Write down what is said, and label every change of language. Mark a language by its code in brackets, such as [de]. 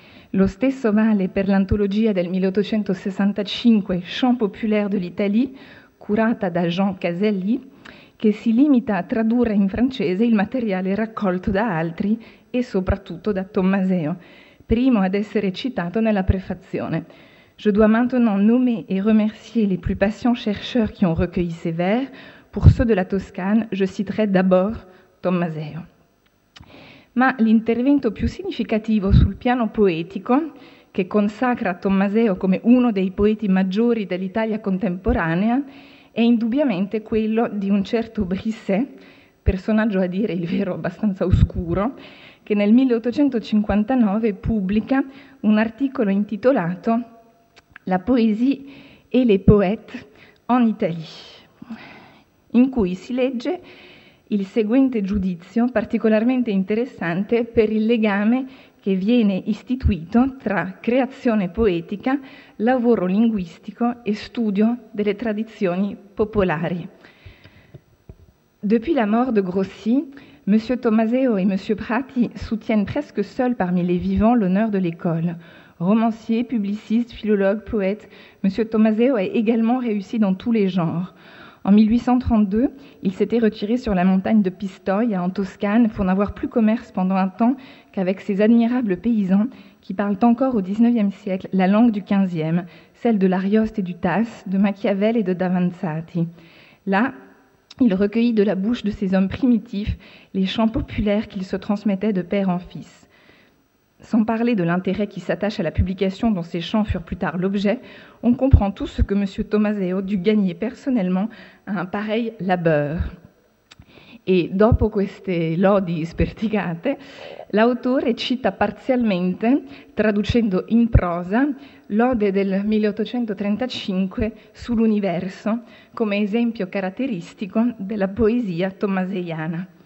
[it] Lo stesso vale per l'antologia del 1865 [fr] Chants populaires de l'Italie, [it] curata da Jean Caselli, che si limita a tradurre in francese il materiale raccolto da altri e soprattutto da Tomaseo, primo ad essere citato nella prefazione. [fr] Je dois maintenant nommer et remercier les plus patients chercheurs qui ont recueilli ces vers. Pour ceux de la Toscane, je citerai d'abord Tomaseo. [it] Ma l'intervento più significativo sul piano poetico, che consacra Tomaseo come uno dei poeti maggiori dell'Italia contemporanea, è indubbiamente quello di un certo Brisset, personaggio a dire il vero abbastanza oscuro, che nel 1859 pubblica un articolo intitolato [fr] La poésie et les poètes en Italie, [it] in cui si legge il seguente giudizio particolarmente interessante per il legame che viene istituito tra creazione poetica, lavoro linguistico e studio delle tradizioni popolari. [fr] Depuis la mort de Grossi, M. Tomaseo et M. Prati soutiennent presque seuls parmi les vivants l'honneur de l'école. Romancier, publiciste, philologue, poète, M. Tomaseo a également réussi dans tous les genres. En 1832, il s'était retiré sur la montagne de Pistoia, en Toscane, pour n'avoir plus commerce pendant un temps qu'avec ses admirables paysans qui parlent encore au XIXe siècle la langue du XVe, celle de l'Arioste et du Tasse, de Machiavel et de D'Avanzati. Là, il recueillit de la bouche de ces hommes primitifs les chants populaires qu'ils se transmettaient de père en fils. Sans parler de l'intérêt qui s'attache à la publication dont ces chants furent plus tard l'objet, on comprend tout ce que M. Tomaseo dut gagner personnellement à un pareil labeur. [it] Et dopo queste lodi sperticate, l'autore cita parzialmente, traducendo in prosa, l'ode del 1835 sull'universo come esempio caratteristico della poesia tomaseiana.